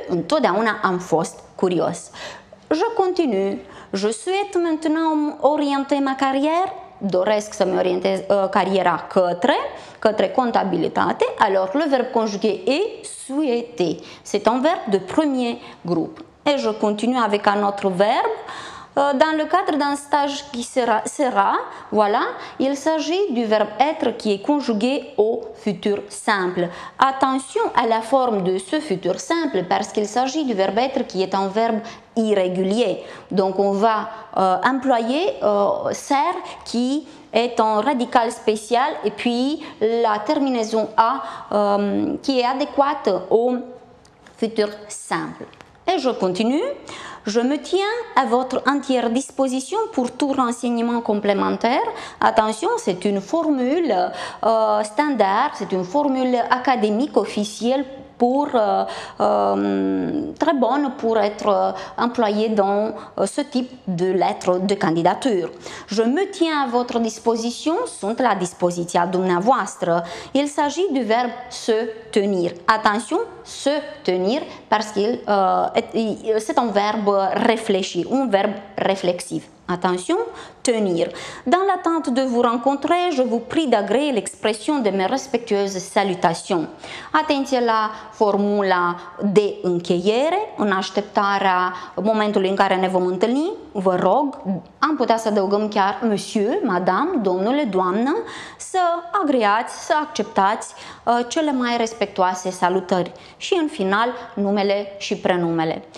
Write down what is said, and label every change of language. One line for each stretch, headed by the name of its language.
Romanian: Întotdeauna am fost curios.
French: Je continue. Je souhaite maintenant orienter ma carrière.
Romanian: Doresc să-mi orientez cariera către comptabilitate.
French: Alors, le verbe conjugué est souhaiter. C'est un verbe de premier groupe. Et je continue avec un autre verbe. Dans le cadre d'un stage qui sera, voilà, il s'agit du verbe être qui est conjugué au futur simple. Attention à la forme de ce futur simple parce qu'il s'agit du verbe être qui est un verbe irrégulier. Donc, on va employer ser qui est un radical spécial et puis la terminaison a qui est adéquate au futur simple. Et je continue. Je me tiens à votre entière disposition pour tout renseignement complémentaire. Attention, c'est une formule standard, c'est une formule académique officielle très bonne pour être employée dans ce type de lettre de candidature. Je me tiens à votre disposition,
Romanian: sunt la dispoziția dumneavoastră.
French: Il s'agit du verbe se tenir. Attention, se tenir, parce qu'il c'est un verbe réfléchi, un verbe réflexif. Attention, tenir. Dans l'attente de vous rencontrer, je vous prie d'agréer l'expression de mes respectueuses salutations.
Romanian: Atenție la formula de încheiere, în așteptarea momentului în care ne vom întâlni, vă rog, am putea să adăugăm chiar
French: monsieur, madame,
Romanian: domnule, doamnă, să agreați, să acceptați cele mai respectuoase salutări și în final numele și prenumele.